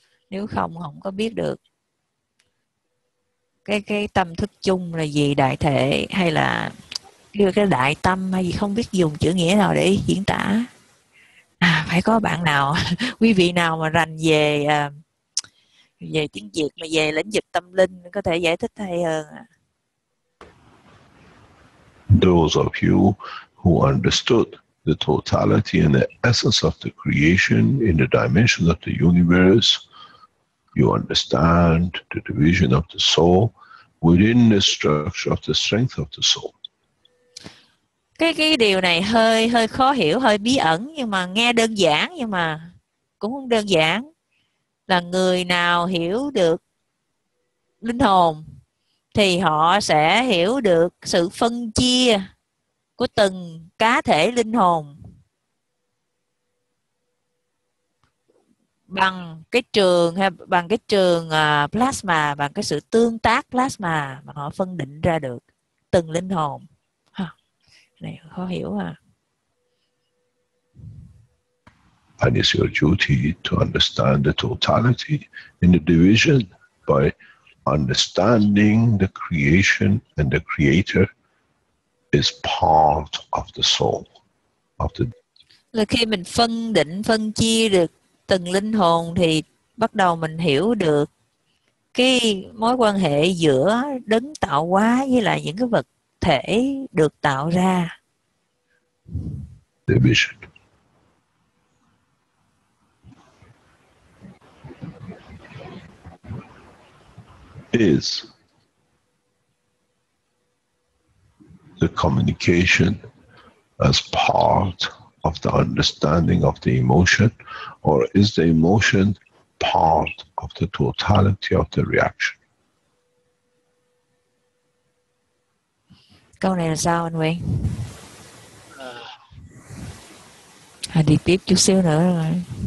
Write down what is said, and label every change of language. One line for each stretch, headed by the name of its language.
Vietnamese: Nếu không, không có biết được cái tâm thức chung là gì, đại thể hay là cái đại tâm hay gì, không biết dùng chữ nghĩa nào để diễn tả. À, phải có bạn nào, quý vị nào mà rành về tiếng Việt mà về lĩnh vực tâm linh có thể giải thích hay hơn.
English: Those of you who understood the totality and the essence of the creation in the dimension of the universe, you understand the division of the soul within the structure of the strength of the soul.
Vietnamese: Cái điều này hơi khó hiểu, hơi bí ẩn, nhưng mà nghe đơn giản, nhưng mà cũng không đơn giản. Là người nào hiểu được linh hồn thì họ sẽ hiểu được sự phân chia của từng cá thể linh hồn bằng cái trường hay bằng cái trường plasma, bằng cái sự tương tác plasma mà họ phân định ra được từng linh hồn. Này khó hiểu à.
English: And it's your duty to understand the totality in the division by understanding the creation and the Creator is part of the soul. Of the...
Vietnamese: Là khi mình phân định, phân chia được từng linh hồn thì bắt đầu mình hiểu được cái mối quan hệ giữa đấng tạo hóa với lại những cái vật thể được tạo ra.
English: Division. Is the communication as part of the understanding of the emotion, or is the emotion part of the totality of the reaction?
Vietnamese: Câu này là sao anh Nguyễn? Hãy đi tiếp chút xíu nữa rồi.